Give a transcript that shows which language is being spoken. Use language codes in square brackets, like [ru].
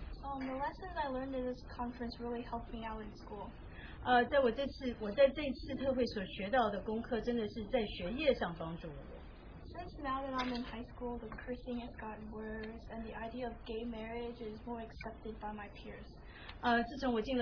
[en] The lessons I learned in this conference really helped me out in school. [zh] 在我这次特会所学到的功课真的是在学业上帮助我。 [en] Since now that I'm in high school, the cursing has gotten worse, and the idea of gay marriage is more accepted by my peers.